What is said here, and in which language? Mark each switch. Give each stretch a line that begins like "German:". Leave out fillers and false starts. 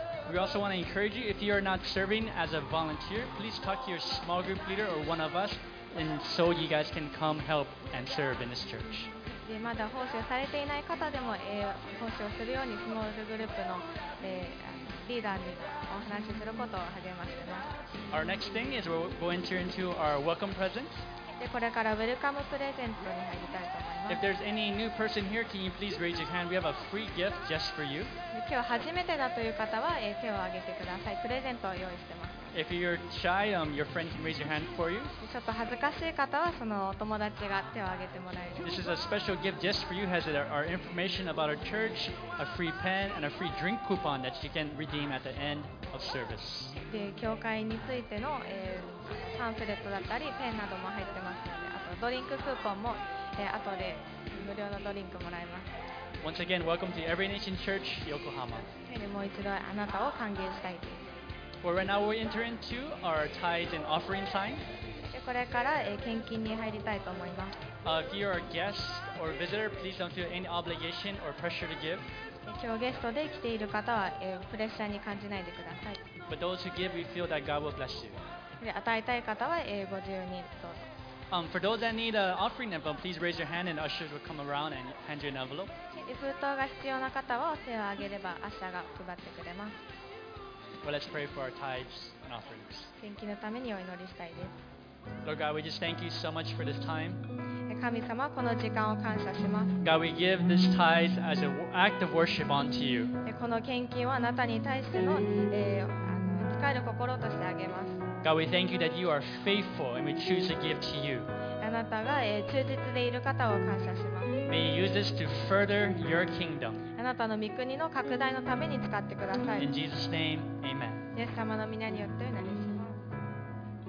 English: We also want to encourage you, if you are not serving as a volunteer, please talk to your small group leader or one of us, and so you guys can come help and serve in this church.
Japanese: でまだ奉仕されていない方でも、奉仕をするようにスモールグループの、リーダーにお話しすることを励ましています。
English: Our next thing is we'll go enter into our welcome presents.
Japanese: でこれからウェルカムプレゼントに入りたいと思います。
English: If there's any new person here, can you please raise your hand? We have a free gift just for you.
Japanese: 今日初めてだという方は、手を挙げてください。プレゼントを用意しています。
English: If you're shy, your friend can raise your hand for you.
Japanese: ちょっと恥ずかしい方はそのお友達が手を挙げてもらえる。
English: This is a special gift just for you. Has our information about our church, a free pen, and a free drink coupon that you can redeem at the end of service.
Japanese: で、教会についてのパンフレットだったりペンなども入ってますので、あとドリンククーポンも後で無料のドリンクもらえます。
English: Once again, welcome to Every Nation Church, Yokohama.
Japanese: もう一度あなたを歓迎したいです。
English: Well, right now we enter into our tithe and offering time.
Japanese: これから献金に入りたいと思います。
English: If you are a guest or visitor, please don't feel any obligation or pressure to give.
Japanese: 今日ゲストで来ている方はプレッシャーに感じないでください。
English: But those who give, we feel that God will bless you.
Japanese: 与えたい方はご自由にどうぞ。
English: For those that need an offering envelope, please raise your hand and ushers will come around and hand you an envelope.
Japanese: 封筒が必要な方はお手を挙げればアッシャーが配ってくれます。
English: Well, let's pray for our tithes and offerings.
Japanese: 献金のためにお祈りしたいです。
English: Lord God, we just thank you so much for this time.
Japanese: 神様、この時間を感謝します。
English: God, we give this tithe as an act of worship unto you.
Japanese: この献金をあなたに対しての、使える心としてあげます。
English: God, we thank you that you are faithful and we choose to give to you.
Japanese: あなたが、忠実でいる方を感謝します。
English: May you use this to further your kingdom.
Japanese: あなたの御国の拡大のために使ってください。
English: In Jesus' name, amen.
Japanese: イエス様の御名によってお祈りします。